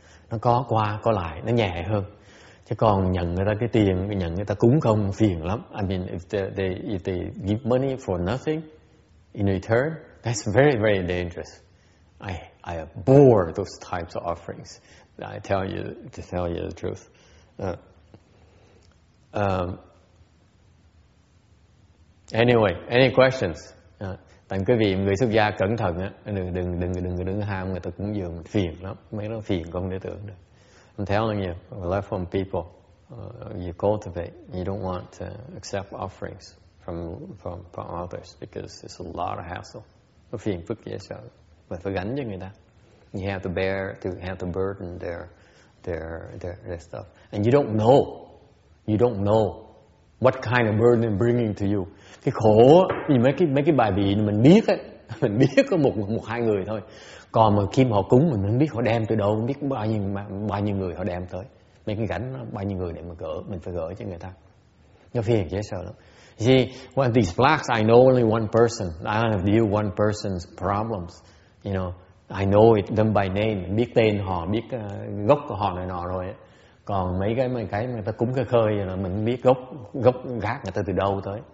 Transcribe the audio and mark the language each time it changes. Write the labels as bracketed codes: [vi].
[vi] Nó có qua có lại, nó nhẹ hơn. Chứ còn nhận người ta cái tiền, nhận người ta cúng không, phiền lắm. [en] I mean, if they give money for nothing in return, that's very, very dangerous. I abhor those types of offerings. To tell you the truth. Anyway, any questions? [vi] Thành quý vị, người xuất gia cẩn thận á, đừng ham người ta cúng dường, phiền lắm. Mấy nó phiền con để tưởng được. [en] I'm telling you, left home people, you cultivate. You don't want to accept offerings from others because it's a lot of hassle. [vi] Nó phiền phức dễ sợ. Mà phải gánh cho người ta. [en] You have to bear, to have to burden their stuff. And you don't know what kind of burden they're bringing to you. [vi] Cái khổ vì mấy cái bài vị mình biết ấy, mình biết có một hai người thôi. Còn mà khi mà họ cúng mình không biết họ đem từ đâu, không biết bao nhiêu người họ đem tới. Mấy cái gánh bao nhiêu người để mà gỡ, mình phải gỡ cho người ta. Nó phiền dễ sợ lắm. [en] See, when these flags, I know only one person. I don't have to deal one person's problems. You know, I know it, them by name. [vi] Biết tên họ, biết gốc của họ này nọ rồi. Còn mấy cái người ta cúng cái khơi là mình biết gốc gác người ta từ đâu tới.